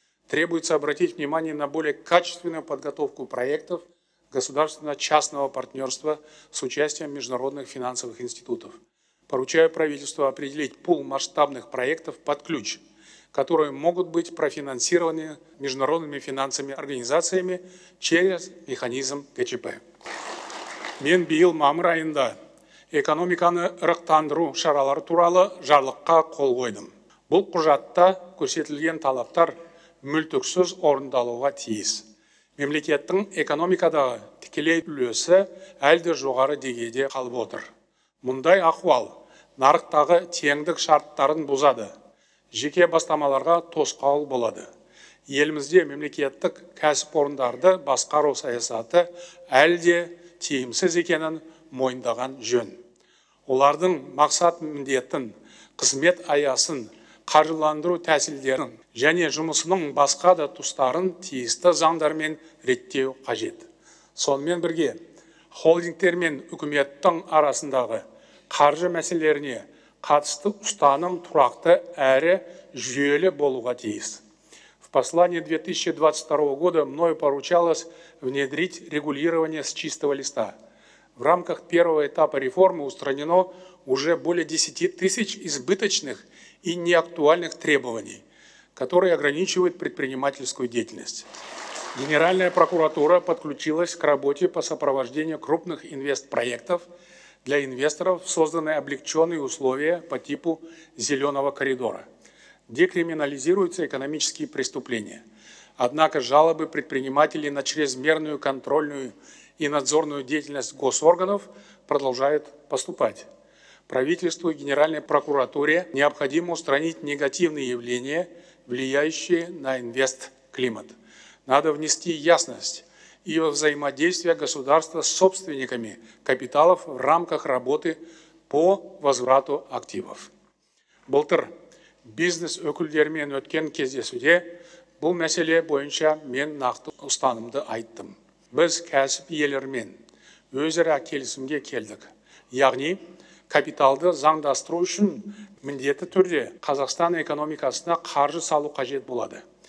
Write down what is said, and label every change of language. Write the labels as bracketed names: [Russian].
[Russian] Требуется обратить внимание на более качественную подготовку проектов государственно-частного партнерства с участием международных финансовых институтов. Поручаю правительству определить пул масштабных проектов под ключ, которые могут быть профинансированы международными финансовыми организациями через механизм ГЧП. [Kazakh] Мен биыл мамыр айында экономиканы рықтандыру шаралары туралы жарлыққа қол қойдым. Бұл құжатта көрсетілген талаптар мүлтіксіз орындалуға тиіс. Мемлекеттің экономикадағы тікелей үлесі әлде жоғары дегеде қалып отыр. Мұндай ахуал нарықтағы теңдік шарттарын бұзады. Жеке бастамаларға тосқауыл болады. Елімізде мемлекеттік кәсіпорындарды басқару саясаты әлде тиімсіз екенін мойындаған жөн. Олардың мақсат міндетін, қызмет аясын, қаржыландыру тәсілдерін және жұмысының басқа да тұстарын тиісті заңдармен реттеу қажет. Сонымен бірге, холдингтер мен үкіметтің арасындағы қаржы мәселеріне қатысты ұстаным тұрақты әрі жүйелі болуға тиіс. [Russian] В послании 2022 года мною поручалось внедрить регулирование с чистого листа. В рамках первого этапа реформы устранено уже более 10 тысяч избыточных и неактуальных требований, которые ограничивают предпринимательскую деятельность. Генеральная прокуратура подключилась к работе по сопровождению крупных инвестпроектов. Для инвесторов созданы облегченные условия по типу «зеленого коридора». Декриминализируются экономические преступления. Однако жалобы предпринимателей на чрезмерную контрольную и надзорную деятельность госорганов продолжают поступать. Правительству и Генеральной прокуратуре необходимо устранить негативные явления, влияющие на инвест-климат. Надо внести ясность и во взаимодействие государства с собственниками капиталов в рамках работы по возврату активов. [Kazakh] Былтыр бизнес өкілдермен өткен кездесуде бұл мәселе бойынша мен нақты ұстанымды айттым. Біз кәсіп иелерімен өзара келісімге келдік. Яғни, капиталды заңдастыру үшін міндетті түрде Қазақстан экономикасына қаржы салу қажет болады.